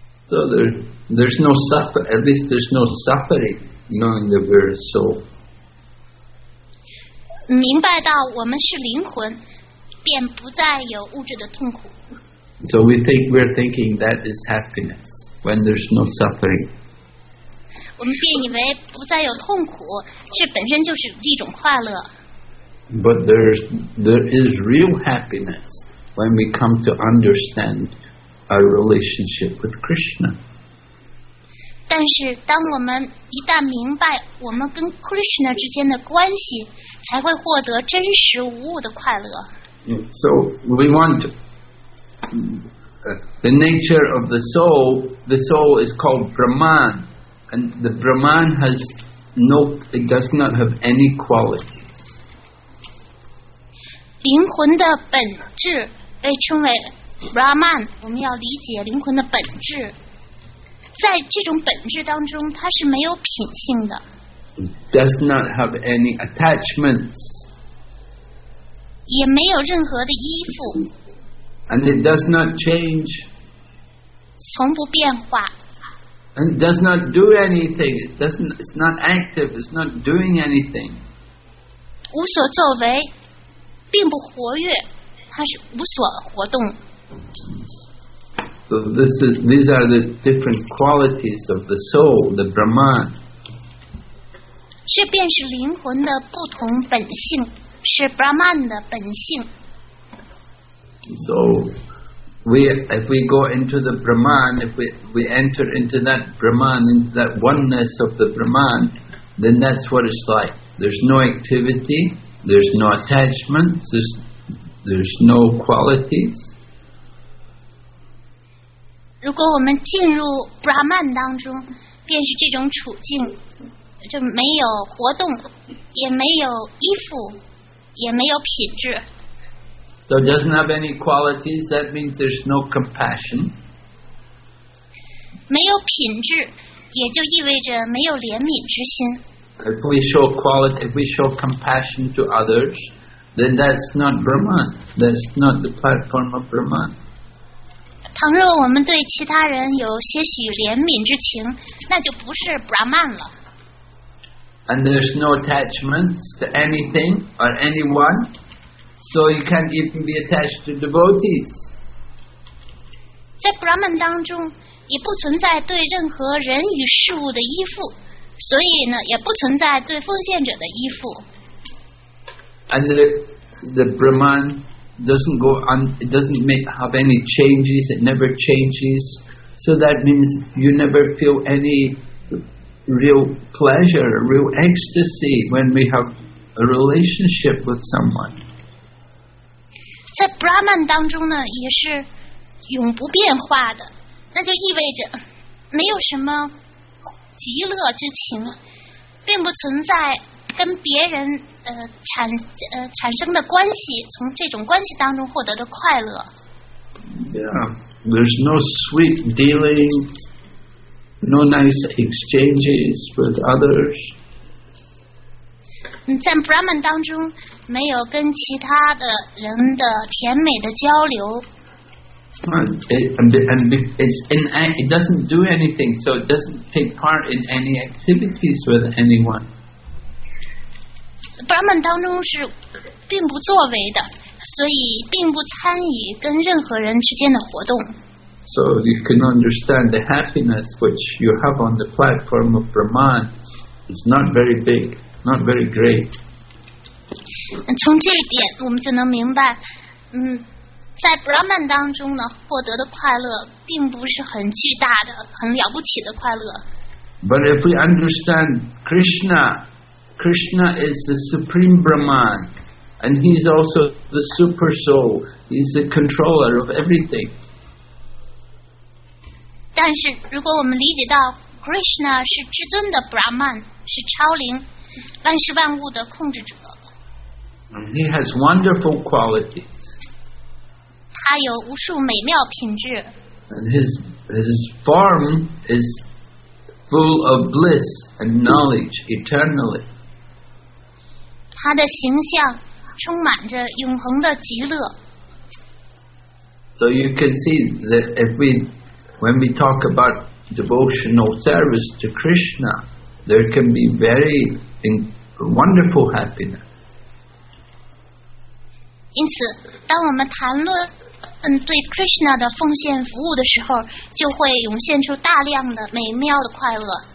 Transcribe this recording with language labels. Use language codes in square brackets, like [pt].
[en] So there's no suffer. At least there's no suffering, knowing that we're soul. [zh] 明白到我们是灵魂，便不再有物质的痛苦。 [en] So we think we're thinking that is happiness when there's no suffering. [zh] 我们便以为不再有痛苦，这本身就是一种快乐。 [en] But there is real happiness when we come to understand our relationship with Krishna. [zh] 但是当我们一旦明白我们跟 Krishna 之间的关系，才会获得真实无误的快乐。 [en] So we want to, the nature of the soul. The soul is called Brahman, and the Brahman has no, it does not have any qualities. [zh] 灵魂的本质被称为 Brahman. 我们要理解灵魂的本质，在这种本质当中，它是没有品性的。 [en] Does not have any attachments. [zh] 也没有任何的依附。 [en] And it does not change. [zh] 从不变化。 [en] And it does not do anything. It doesn't. It's not active. It's not doing anything. [zh] 无所作为，并不活跃，它是无所活动。 [en] So these are the different qualities of the soul, the Brahman. [zh] 这便是灵魂的不同本性，是 Brahman 的本性。 [en] So, if we go into the Brahman, if we enter into that Brahman, into that oneness of the Brahman, then that's what it's like. There's no activity, there's no attachments, there's no qualities. [zh] 如果我们进入 Brahman 当中，便是这种处境。就没有活动，也没有依附，也没有品质。 [en] So it doesn't have any qualities. That means there's no compassion. [zh] 没有品质，也就意味着没有怜悯之心。 [en] If we show compassion to others, then that's not Brahman. That's not the platform of Brahman. [zh] 倘若我们对其他人有些许怜悯之情，那就不是 Brahman 了。 [en] And there's no attachments to anything or anyone, so you can't even be attached to devotees. [zh] 在 Brahman 当中，也不存在对任何人与事物的依附，所以呢，也不存在对奉献者的依附。 [en] And the Brahman doesn't go on; it doesn't have any changes. It never changes. So that means you never feel any. Real pleasure, real ecstasy when we have a relationship with someone. [zh] 在 Brahman 当中呢，也是永不变化的，那就意味着没有什么极乐之情，并不存在跟别人产生的关系，从这种关系当中获得的快乐。 [en] Yeah, there's no sweet dealing. No nice exchanges with others. [zh] 在 Brahman 当中，没有跟其他的人的甜美的交流。 [en] It doesn't do anything, so it doesn't take part in any activities with anyone. [zh] Brahman 当中是并不作为的，所以并不参与跟任何人之间的活动。 [en] So you can understand the happiness which you have on the platform of Brahman is not very big, not very great. [zh] 从这一点我们就能明白，在 Brahman 当中呢，获得的快乐并不是很巨大的、很了不起的快乐。 [en] But if we understand Krishna, Krishna is the supreme Brahman, and he is also the super soul. He is the controller of everything. [zh] 但是如果我们理解到 Krishna 是至尊的 Brahman 是超灵万事万物的控制者 [en] He has wonderful qualities [zh] 他他有无数美妙品质。 [en] And his form is full of bliss and knowledge eternally. [zh] 他的形象充满着永恒的极乐。 [en] So you can see that when we talk about devotional service to Krishna, there can be very wonderful happiness. [zh] 因此，当我们谈论对 Krishna 的奉献服务的时候，就会涌现出大量的美妙的快乐。